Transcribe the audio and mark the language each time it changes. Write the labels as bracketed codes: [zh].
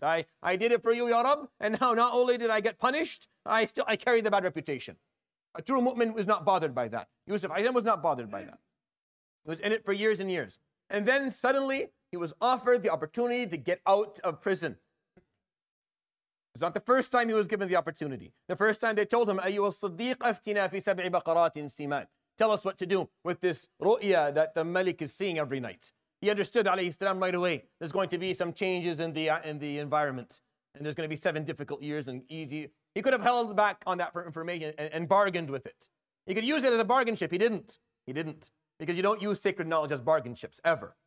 [en] I did it for you, Ya Rab, and now not only did I get punished, I carry the bad reputation. A true mu'min was not bothered by that. Yusuf Aizen was not bothered by that. He was in it for years and years. And then suddenly, he was offered the opportunity to get out of prison. It's not the first time he was given the opportunity. The first time they told him, [ar] أَيُّوَ الصَّدِّيقَ أَفْتِنَا فِي سَبْعِ بَقَرَاتٍ سِمَانٍ. [en] Tell us what to do with this ru'ya that the Malik is seeing every night. He understood, alayhi salam, right away, there's going to be some changes in the environment. And there's going to be seven difficult years and easy. He could have held back on that for information and bargained with it. He could use it as a bargain chip. He didn't. Because you don't use sacred knowledge as bargain chips, ever.